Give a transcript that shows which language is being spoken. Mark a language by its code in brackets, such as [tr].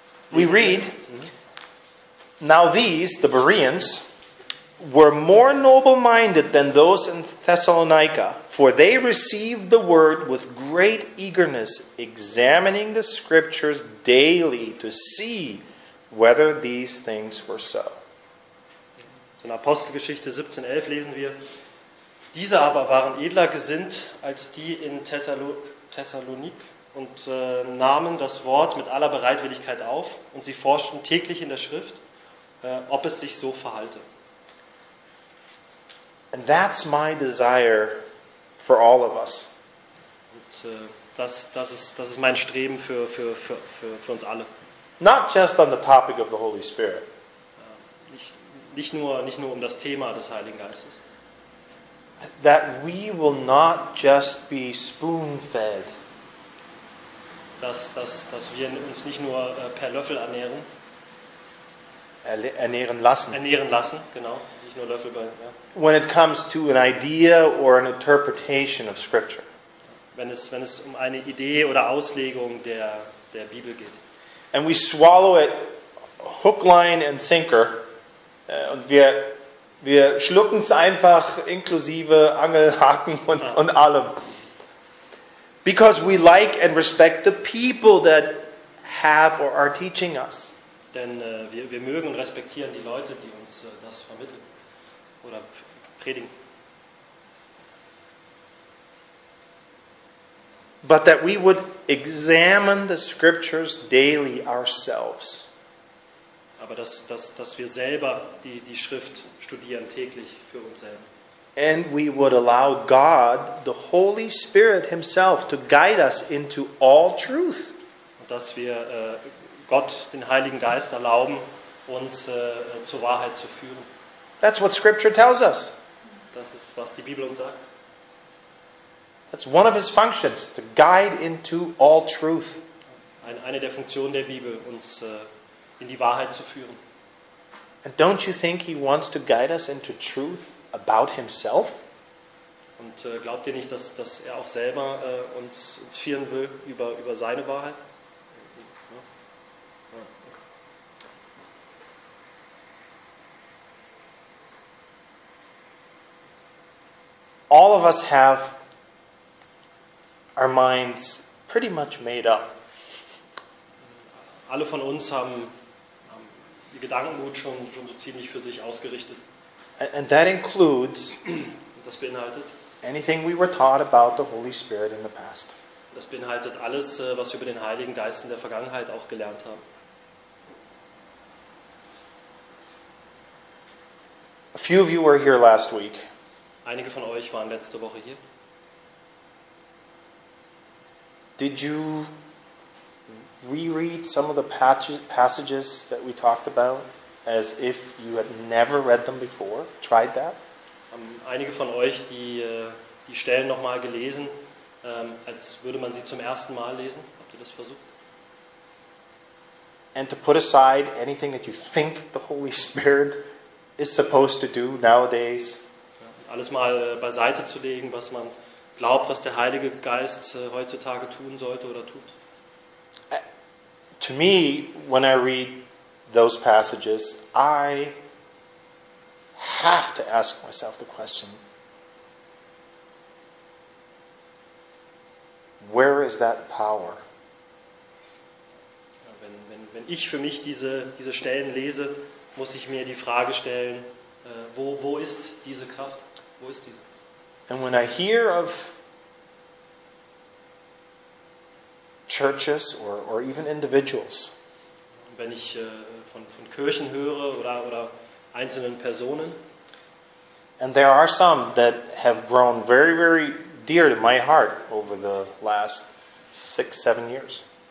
[en] We read, now these, the Bereans, were more noble-minded than those in Thessalonica, for they received the word with great eagerness, examining the scriptures daily to see whether these things were so. [de] In Apostelgeschichte 17,11 lesen wir, diese aber waren edler gesinnt als die in Thessalonik und nahmen das Wort mit aller Bereitwilligkeit auf und sie forschten täglich in der Schrift, ob es sich so verhalte. [en] And that's my desire for all of us. [de] Und das ist mein Streben für uns alle. [en] Not just on the topic of the Holy Spirit. [de] Nicht nur um das Thema des Heiligen Geistes. [en] That we will not just be spoon-fed. [de] Dass wir uns nicht nur per Löffel ernähren. Ernähren lassen. Ernähren lassen, genau. Nicht nur Löffel bei, ja. [en] When it comes to an idea or an interpretation of Scripture. [de] Wenn es um eine Idee oder Auslegung der Bibel geht. [en] And we swallow it hook, line and sinker. [de] Und wir schlucken es einfach inklusive Angel, Haken und allem. [en] Because we like and respect the people that have or are teaching us. [de] Denn wir mögen und respektieren die Leute, die uns das vermitteln oder predigen. [en] But that we would examine the scriptures daily ourselves. [de] Aber dass wir selber die Schrift studieren täglich für uns selber. [en] And we would allow God, the Holy Spirit himself, to guide us into all truth. [de] Und dass wir Gott, den Heiligen Geist, erlauben, uns zur Wahrheit zu führen. [en] That's what Scripture tells us. [de] Das ist, was die Bibel uns sagt. [en] That's one of his functions, to guide into all truth. [de] Eine der Funktionen der Bibel, uns in die Wahrheit zu führen. [en] And don't you think he wants to guide us into truth about himself? [de] Und glaubt ihr nicht, dass er auch selber uns führen will über seine Wahrheit? [en] All of us have our minds pretty much made up. [de] Alle von uns haben die Gedankengut schon so ziemlich für sich ausgerichtet. [en] And that includes [de] das beinhaltet [en] anything we were taught about the Holy Spirit in the past. [de] Das beinhaltet alles, was wir über den Heiligen Geist in der Vergangenheit auch gelernt haben. [en] A few of you were here last week. [de] Einige von euch waren letzte Woche hier. [en] Did you reread some of the passages that we talked about as if you had never read them before? Tried that? [de] Haben einige von euch die Stellen nochmal gelesen, als würde man sie zum ersten Mal lesen? Habt ihr das versucht? [en] And to put aside anything that you think the Holy Spirit is supposed to do nowadays? [de] Alles mal beiseite zu legen, was man glaubt, was der Heilige Geist heutzutage tun sollte oder tut. [en] To me, when I read those passages, I have to ask myself the question, where is that power? [de] Wenn ich für mich diese Stellen lese, muss ich mir die Frage stellen, wo ist diese Kraft? Wo ist diese? [en] And when I hear of churches or even individuals, [de] wenn ich von Kirchen höre oder einzelnen Personen, [en] and there are some that have grown very, very dear to my heart over the last 6-7 years.